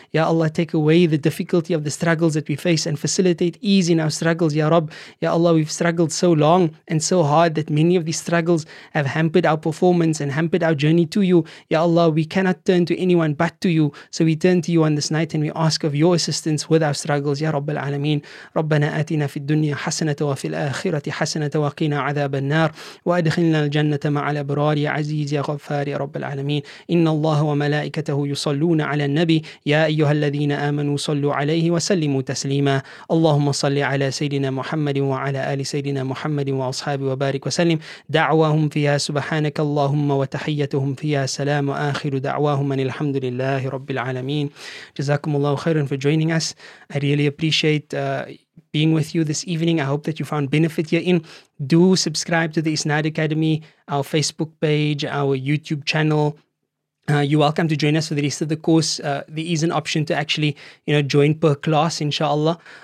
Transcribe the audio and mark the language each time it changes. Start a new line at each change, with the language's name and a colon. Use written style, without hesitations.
English: Ya Allah, take away the difficulty of the struggles that we face and facilitate ease in our struggles, Ya Rab. Ya Allah, we've struggled so long and so hard that many of these struggles have hampered our performance and hampered our journey to you. Ya Allah, we cannot turn to anyone but to you. So we turn to you on this night and we ask of your assistance with our struggles, Ya Rabbal Alameen.
Arabic: ربنا آتنا في الدنيا حسنة وفي الآخرة حسنة وقنا عذاب النار وأدخلنا الجنة مع الأبرار يا عزيز يا غفار يا رب العالمين. إن الله وملائكته يصلون على النبي يا أيها الذين آمنوا صلوا عليه وسلموا تسليما. اللهم صل على سيدنا محمد وعلى آل سيدنا محمد وأصحابه وبارك وسلم. دعواهم فيها سبحانك اللهم وتحيتهم فيها سلام وآخر دعواهم أن الحمد لله رب العالمين. جزاكم الله خيرا
English: for joining us. I really appreciate being with you this evening. I hope that you found benefit herein. Do subscribe to the Isnad Academy, our Facebook page, our YouTube channel. You're welcome to join us for the rest of the course. There is an option to actually, you know, join per class, inshallah.